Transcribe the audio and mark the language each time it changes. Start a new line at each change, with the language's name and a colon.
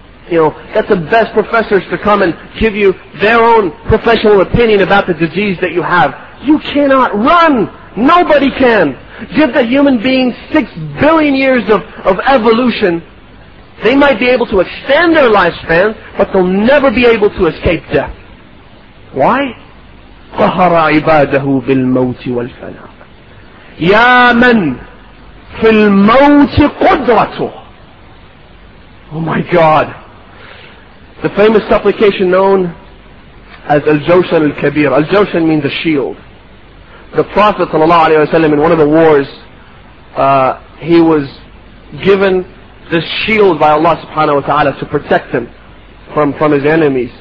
English: You know, get the best professors to come and give you their own professional opinion about the disease that you have. You cannot run. Nobody can. Give the human being 6 billion years of evolution. They might be able to extend their lifespan, but they'll never be able to escape death. Why?
Arabic: طهر عباده بالموت والفناء يا من في الموت قدرته.
English: Oh my God. The famous supplication known as Al-Jawshan Al-Kabir. Al-Jawshan means a shield. The Prophet sallallahu alayhi wa sallam, in one of the wars, he was given this shield by Allah subhanahu wa ta'ala to protect him from his enemies.